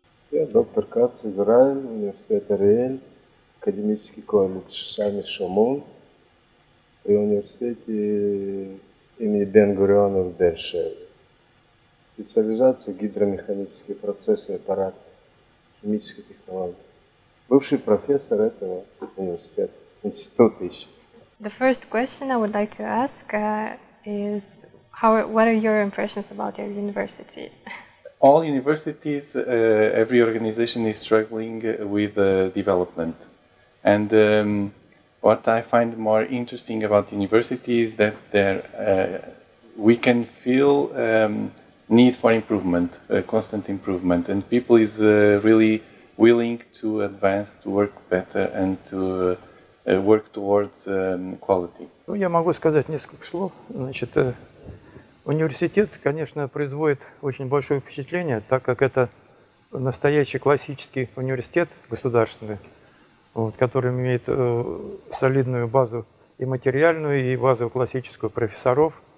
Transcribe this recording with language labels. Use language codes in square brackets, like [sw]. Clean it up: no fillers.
[ru] Я доктор Кац, Израиль, университет Ариэль, академический колледж Шами Шамон при университете имени Бен-Гуриона в Бершеве. Специализация гидромеханические процессы, аппараты, химические технологии. Бывший профессор этого университета, института еще. [en] The first question I would like to ask is, what are your impressions about your university? All universities, every organization is struggling with development. And what I find more interesting about universities is that there we can feel need for improvement, constant improvement, and people is really willing to advance, to work better, and to work towards quality. [ru] Я могу сказать несколько слов. Значит, университет, конечно, производит очень большое впечатление, так как это настоящий классический университет государственный, вот, который имеет солидную базу и материальную, и базу классическую профессоров.